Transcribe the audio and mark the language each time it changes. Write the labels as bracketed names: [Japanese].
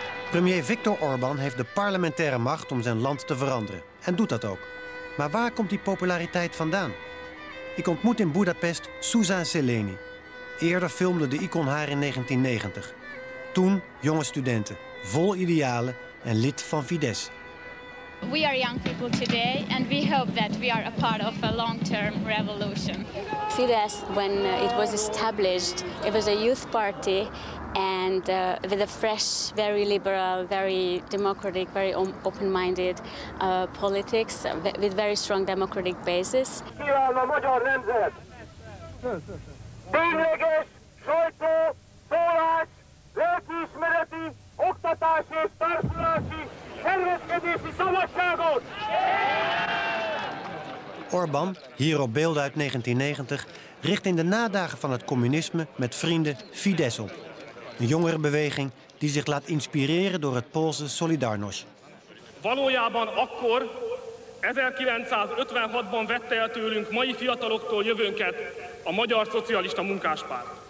[Dutch] Premier Viktor Orbán heeft de parlementaire macht om zijn land te veranderen. En doet dat ook. Maar waar komt die populariteit vandaan? Ik ontmoet in Budapest Zsuzsa Szeleni. Eerder filmde de icoon haar in 1990. Toen jonge studenten, vol idealen en lid van Fidesz. [English] We are young people today and we hope that we are a part of a long-term revolution. Fidesz, when it was established, it was a youth party and with a fresh, very liberal, very democratic, very open-minded politics with very strong democratic basis. [Hungarian] Kiváll a magyar nemzet! Tényleges, sajtó, szólás, lelkiismereti, oktatás és társulási szervezkedési szabadságot! [Dutch] Orbán, hier op beelden uit 1990, richt in de nadagen van het communisme met vrienden Fidesz op. Een jongerenbeweging die zich laat inspireren door het Poolse Solidarność. [Hungarian] Valójában akkor, 1956-ban vette el tőlünk mai fiataloktól jövőnket a Magyar Szocialista Munkáspárt.